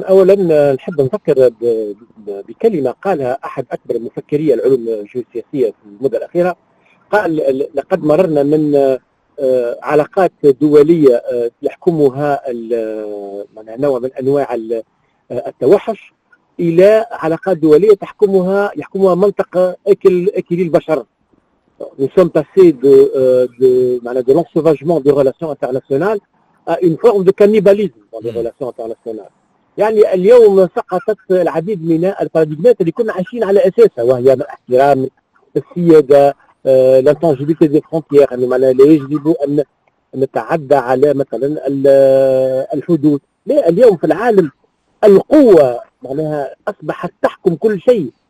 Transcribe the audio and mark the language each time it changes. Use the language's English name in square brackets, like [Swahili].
[Arabic] أولا نحب نفكر بكلمة قالها أحد أكبر مفكري العلوم الجيوسياسية في المدة الأخيرة، قال لقد مررنا من علاقات دولية يحكمها نوع من أنواع التوحش إلى علاقات دولية يحكمها منطقة أكل البشر. [French] Nous sommes passés de l'ensauvagement des relations internationales à une forme de cannibalisme dans les relations internationales. [Arabic] يعني اليوم سقطت العديد من البارادجمات اللي كنا عايشين على أساسها، وهي من احترام السيادة، [French] لانتانجيبيتي دي فرونتيير، [Arabic] يعني معناها لا يجب أن نتعدى على مثلا الحدود. لا، اليوم في العالم القوة معناها أصبحت تحكم كل شيء.